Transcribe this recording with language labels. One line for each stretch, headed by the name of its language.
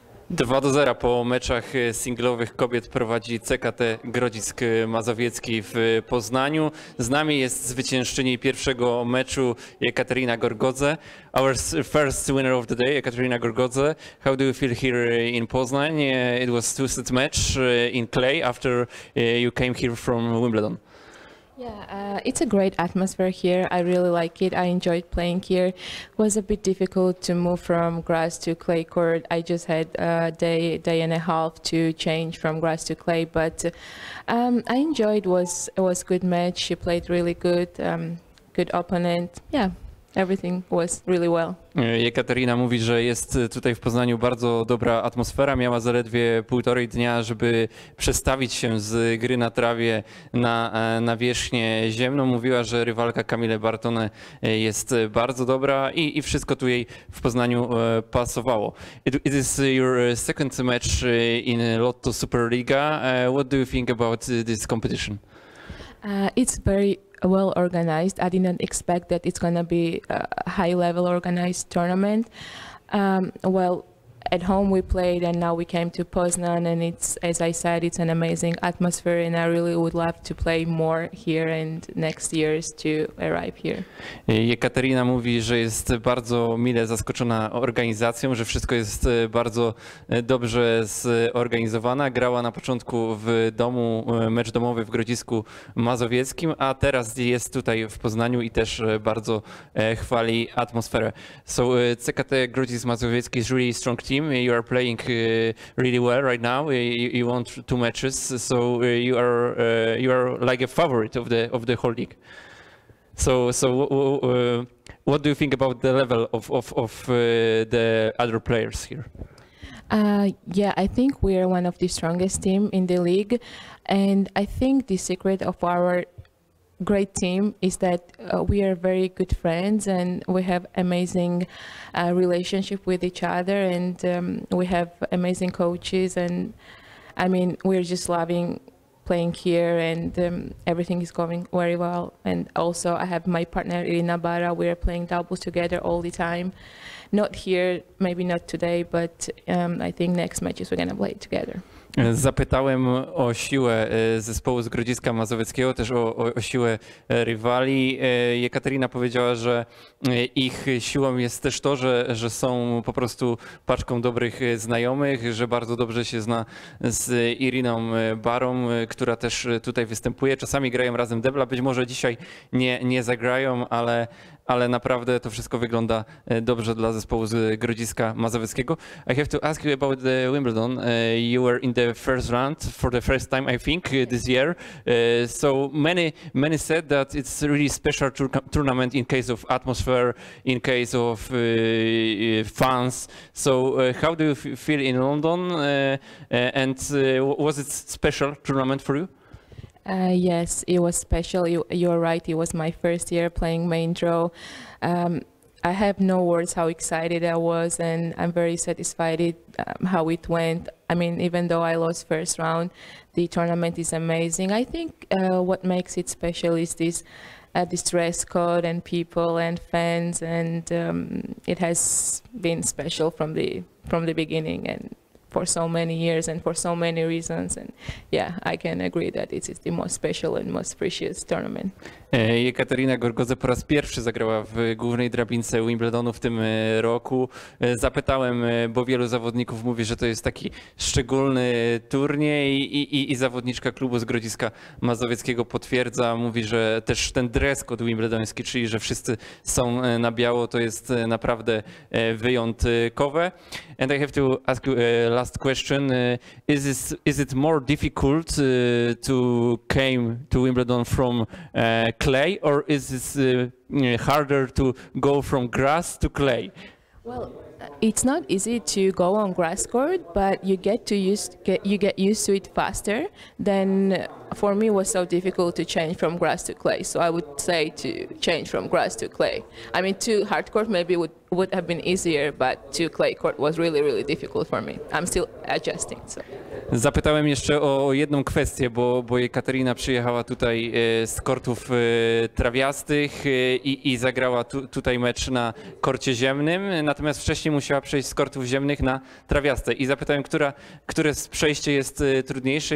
Polish: 2-0 po meczach singlowych kobiet prowadzi CKT Grodzisk Mazowiecki w Poznaniu. Z nami jest zwyciężczyni pierwszego meczu Ekaterina Gorgodze.
English: Our first winner of the day, Ekaterina Gorgodze. How do you feel here in Poznań? It was a two-set match in clay after you came here from Wimbledon. Yeah, it's a great atmosphere here. I really like it. I enjoyed playing here. It was a bit difficult to move from grass to clay court. I just had a day and a half to change from grass to clay, but I enjoyed. It was a good match. She played really good. Good opponent. Yeah. Everything was really well.
Polish: Ekaterina mówi, że jest tutaj w Poznaniu bardzo dobra atmosfera. Miała zaledwie półtorej dnia, żeby przestawić się z gry na trawie na nawierzchnię ziemną. Mówiła, że rywalka Kamile Bartone jest bardzo dobra i wszystko tu jej w Poznaniu pasowało.
English: It is your second match in Lotto SuperLIGA. What do you think about this competition? It's very well organized. I didn't expect that it's gonna be a high level organized tournament. Well, at home we played and now we came to Poznan, and it's, as I said, it's an amazing atmosphere and I really would love to play more here and next years to arrive here.
Polish: Ekaterina mówi, że jest bardzo mile zaskoczona organizacją, że wszystko jest bardzo dobrze zorganizowana. Grała na początku w domu, mecz domowy w Grodzisku Mazowieckim, a teraz jest tutaj w Poznaniu i też bardzo chwali atmosferę.
English: So CKT Grodzisk Mazowiecki is really strong team. You are playing really well right now. You won two matches, so you are like a favorite of the whole league. So what do you think about the level of the other players here? Yeah, I think we are one of the strongest team in the league, and I think the secret of our great team is that we are very good friends and we have amazing relationship with each other, and we have amazing coaches, and I mean we're just loving playing here, and everything is going very well. And also I have my partner Irina Bara. We are playing doubles together all the time, not here, maybe not today, but I think next matches we're gonna play together.
Polish: Zapytałem o siłę zespołu z Grodziska Mazowieckiego, też o siłę rywali. Ekaterina powiedziała, że ich siłą jest też to, że są po prostu paczką dobrych znajomych, że bardzo dobrze się zna z Iriną Barą, która też tutaj występuje. Czasami grają razem debla, być może dzisiaj nie zagrają, ale naprawdę to wszystko wygląda dobrze dla zespołu z Grodziska Mazowieckiego.
English: I have to ask you about the Wimbledon. You were in the first round for the first time, I think, this year. So many said that it's a really special tournament in case of atmosphere, in case of fans. So how do you feel in London? Was it special tournament for you? Yes, it was special. You're right. It was my first year playing main draw. I have no words how excited I was, and I'm very satisfied how it went. I mean, even though I lost first round, the tournament is amazing. I think what makes it special is this dress code and people and fans, and it has been special from the beginning and for so many years and for so many reasons, and yeah, I can agree that it is the most special and most precious tournament.
Polish: Ekaterina Gorgodze po raz pierwszy zagrała w głównej drabince Wimbledonu w tym roku. Zapytałem, bo wielu zawodników mówi, że to jest taki szczególny turniej, i zawodniczka klubu z Grodziska Mazowieckiego potwierdza, mówi, że też ten dress code wimbledoński, czyli że wszyscy są na biało, to jest naprawdę wyjątkowe.
English: And I have to ask you a last question. Is it more difficult to came to Wimbledon from clay, or is it harder to go from grass to clay? Well, it's not easy to go on grass court, but you get used to it faster. Then for me it was so difficult to change from grass to clay, so I would say to change from grass to clay. I mean, to hard court maybe would would have been easier, but to clay court was really, really difficult for me. I'm still adjusting. So.
Polish: Zapytałem jeszcze o jedną kwestię, bo Ekaterina przyjechała tutaj z kortów trawiastych i zagrała tutaj mecz na korcie ziemnym, natomiast wcześniej musiała przejść z kortów ziemnych na trawiaste. I zapytałem, które z przejście jest trudniejsze.